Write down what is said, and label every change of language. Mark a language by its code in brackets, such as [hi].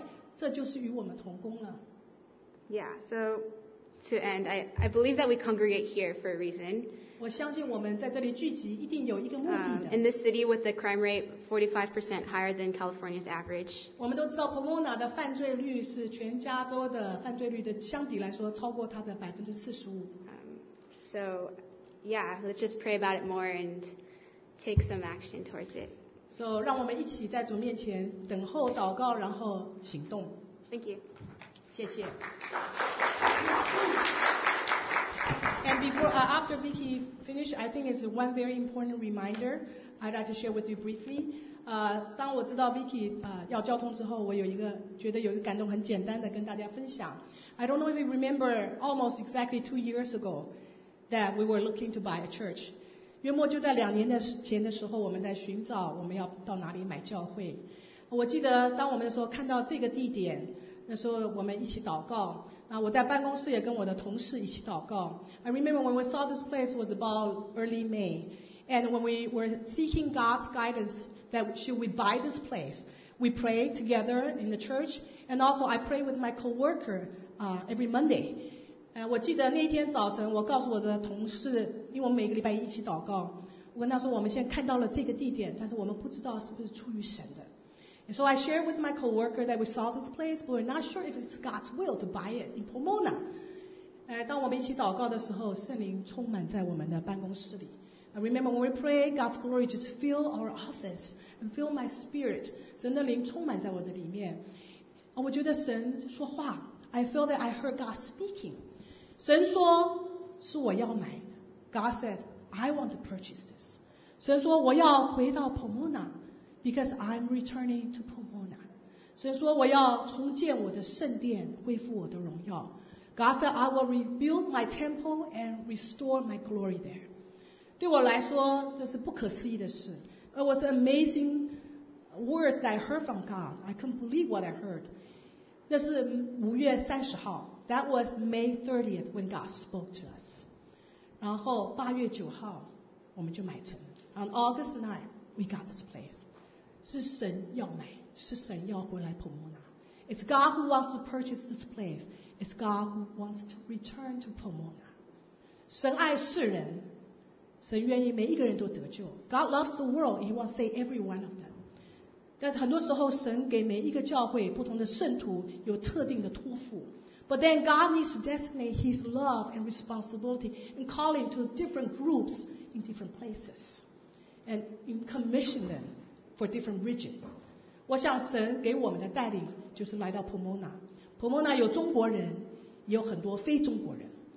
[zh] 你可以为我们祷告，而且呢，或者你主日或聚会时候，或你经过时候看到社区任何的孩子、年轻人，跟他们说嗨，这就是与我们同工了。Yeah, [en] so to end, I believe that we congregate here for a reason. [zh] 我相信我们在这里聚集一定有一个目的的。 [en] In this city with the crime rate 45% higher than California's average. [zh] 我们都知道Pomona的犯罪率是全加州的犯罪率的相比来说超过它的45%。 [en] So, yeah, let's just pray about it more and take some action towards it. [zh] So, 让我们一起在主面前等候祷告，然后行动。 [en] Thank you. [zh] 谢谢。 [en] And before, after Vicky finished, I think it's one very important reminder I'd like to share with you briefly. [zh] 当我知道 Vicky 要交通之后，我有一个觉得有一个感动，很简单的跟大家分享。 [en] I don't know if you remember almost exactly 2 years ago that we were looking to buy a church. [zh] 约莫就在两年的前的时候，我们在寻找我们要到哪里买教会。我记得当我们的时候看到这个地点，那时候我们一起祷告。我在办公室也跟我的同事一起祷告。 [en] I remember when we saw this place was about early May, and when we were seeking God's guidance that should we buy this place, we prayed together in the church, and also I pray with my coworker every Monday. [zh] 我记得那天早晨，我告诉我的同事，因为我们每个礼拜一起祷告，我跟他说我们现在看到了这个地点，但是我们不知道是不是出于神的。 [en] So I shared with my coworker that we saw this place, but we're not sure if it's God's will to buy it in Pomona. [zh] 当我们一起祷告的时候，圣灵充满在我们的办公室里。 [en] I remember when we pray, God's glory just fill our office and fill my spirit. [zh] 神的灵充满在我的里面。我觉得神说话。 [en] I feel that I heard God speaking. [zh] 神说是我要买的。 [en] God said, I want to purchase this. [zh] 神说我要回到 Pomona. [en] Because I'm returning to Pomona. [zh] 神说我要重建我的圣殿，恢复我的荣耀。 [en] God said I will rebuild my temple and restore my glory there. [zh] 对我来说这是不可思议的事。 [en] It was an amazing word that I heard from God. I couldn't believe what I heard. [zh] 那是5月30号。 [en] That was May 30th when God spoke to us. [zh] 然后8月9号我们就买成了。 [en] On August 9th we got this place. [zh] 是神要买，是神要回来Pomona。 [en] It's God who wants to purchase this place. It's God who wants to return to Pomona. [zh] 神爱世人，神愿意每一个人都得救。 [en] God loves the world. He wants to save every one of them. [zh] 但是很多时候，神给每一个教会不同的圣徒有特定的托付。 [en] But then God needs to designate His love and responsibility and call him to different groups in different places and commission them. For different regions. [zh] 我想神给我们的带领就是来到 Pomona. Pomona 有中国人，也有很多非中国人。